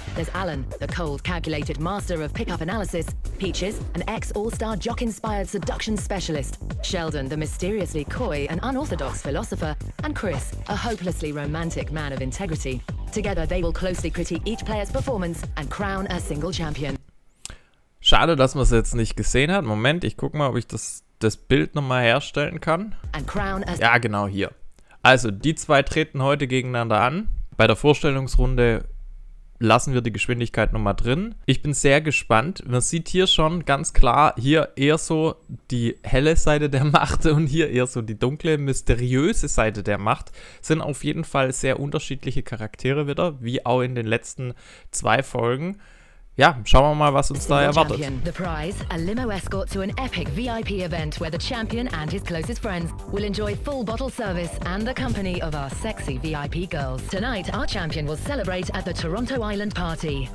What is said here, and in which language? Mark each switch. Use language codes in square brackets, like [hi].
[en] There's Alan, the cold, calculated master of pickup analysis. Peaches, an ex-all-star jock-inspired seduction specialist. Sheldon, the mysteriously coy and unorthodox philosopher, and Chris, a hopelessly romantic man of integrity. Together they will closely critique each player's performance and crown a single champion. [de] Schade, dass man es jetzt nicht gesehen hat. Moment, ich guck mal, ob ich das Bild nochmal herstellen kann. [en] And crown a [de] ja, genau hier. Also, die zwei treten heute gegeneinander an. Bei der Vorstellungsrunde lassen wir die Geschwindigkeit nochmal drin. Ich bin sehr gespannt. Man sieht hier schon ganz klar, hier eher so die helle Seite der Macht und hier eher so die dunkle, mysteriöse Seite der Macht. Sind auf jeden Fall sehr unterschiedliche Charaktere wieder, wie auch in den letzten zwei Folgen. Ja, schauen wir mal, was uns da erwartet. [en] The prize, a limo escort to an epic VIP event where the champion and his closest friends will enjoy full bottle service and the company of our sexy VIP girls. Tonight, our champion will celebrate at the Toronto Island Party.